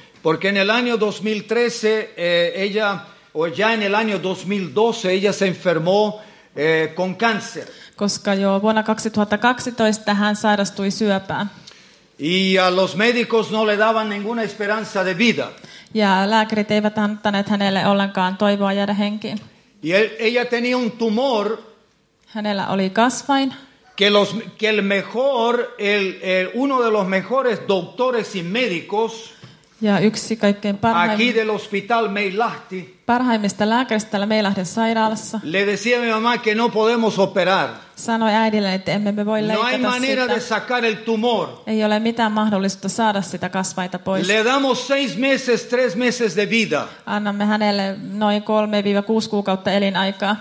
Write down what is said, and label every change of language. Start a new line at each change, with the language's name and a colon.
Spanish: Porque en el año 2013 ella o ya en el año 2012 ella se enfermó con cáncer.
Finnish: Koska jo vuonna 2012 hän sairastui syöpään.
Spanish: Y a los médicos no le daban ninguna esperanza de vida.
Finnish: Ja lääkärit eivät antaneet hänelle ollenkaan toivoa jäädä henkiin.
Spanish: Y ella tenía un tumor.
Finnish: Hänellä oli kasvain.
Spanish: Que el uno de los mejores doctores y médicos.
Finnish: Ja yksi kaikkein parhaimmista.
Spanish: Aquí del hospital Meilahti.
Finnish: Parhaimmista lääkäristä täällä Meilahden sairaalassa.
Spanish: Le decía mi mamá que no podemos operar.
Finnish: Sanoi äidille, että emme me voi leikata
Spanish: sitä. No hay manera
Finnish: sitä
Spanish: de sacar el tumor.
Finnish: Ei ole mitään mahdollisuutta saada sitä kasvaita pois.
Spanish: Le damos 6 meses, 3 meses de vida.
Finnish: Annamme hänelle noin 3-6 kuukautta elinaikaa.